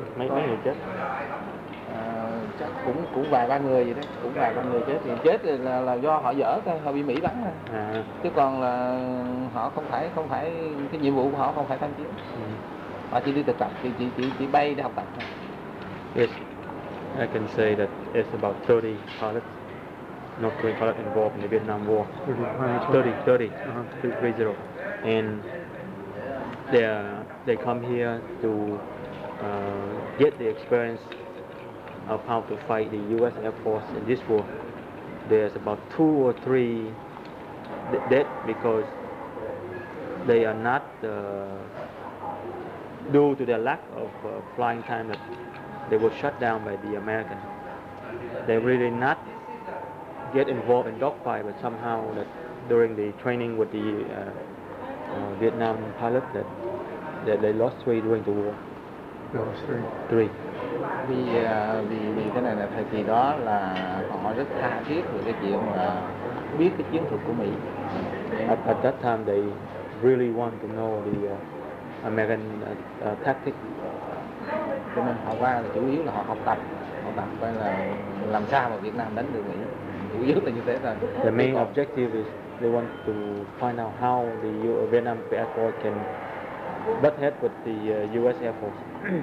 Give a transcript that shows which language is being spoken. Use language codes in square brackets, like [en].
[vi] mấy mấy người chết? Chắc cũng cũng vài ba người gì đấy, cũng vài ba người chết. Thì chết là do họ dở thôi, họ bị Mỹ bắn thôi, chứ còn là họ không phải cái nhiệm vụ của họ không phải tham chiến, họ chỉ đi thực tập, chỉ bay để học tập thôi. [en] Yes, I can say that it's about 30 pilots, not 20 pilots involved in the Vietnam War. 30, 30, 30. And they come here to get the experience of how to fight the US Air Force in this war. There's about two or three dead because they are not due to their lack of flying time that they were shut down by the American. They really not get involved in dogfight, but somehow that during the training with the Vietnam pilot that they lost three during the war. Three. [vi] Vì cái này là thời kỳ đó là họ rất tha thiết về cái chuyện mà biết cái chiến thuật của Mỹ. [en] At that time they really want to know the American tactic. [vi] Cho nên họ qua là chủ yếu là họ học tập coi là làm sao mà Việt Nam đánh được Mỹ, chủ yếu là như thế thôi. [en] The main objective is they want to find out how the Vietnam Air Force can butt head with the US Air Force.